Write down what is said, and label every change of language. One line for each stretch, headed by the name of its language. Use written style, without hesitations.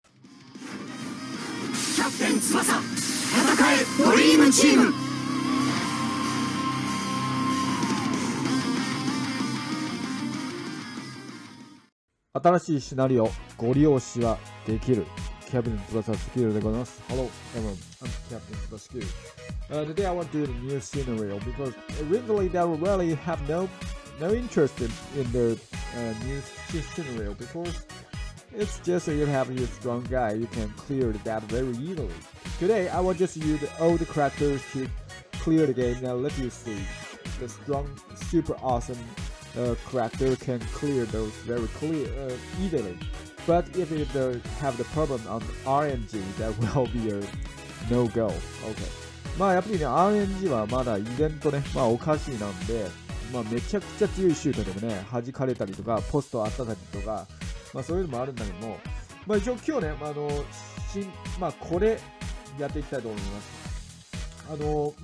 Japanese: ャプテン翼、戦えドリームチーム。新しいシナリオご利用しはできる。キャプテン翼スキルでございます。
English: Hello, everyone. I'm Captain Skill. Today I want to do a new scenario because originally they really have no interest in their new scenario because it's just you have your strong guy, you can clear that very easily. Today I will just use the old characters to clear the game and let you see the strong, super awesome character can clear those very clear easily. But if you have the problem on RNG, that will be a no-go. Okay.
Japanese: まあやっぱりね、RNG はまだ依然とね、まあおかしいなんで、まあめちゃくちゃ強いシュートでもね、弾かれたりとか、ポストあったたりとか、まあそういうのもあるんだけども、まあ一応今日ね、まあこれやっていきたいと思います。